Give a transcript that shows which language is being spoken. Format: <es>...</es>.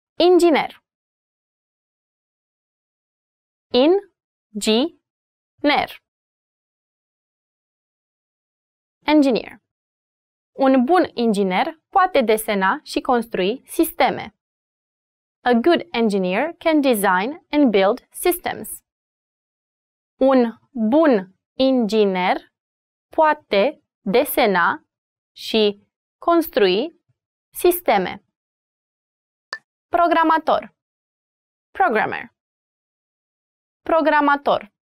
<ro>Inginer. Inginer.</ro> <en>Engineer.</en> <ro>Un bun inginer poate desena și construi sisteme.</ro> <en>A good engineer can design and build systems.</en> <ro>Un bun inginer poate desena și construi sisteme. Programator.</ro> <en>Programmer.</en> <ro>Programator.</ro>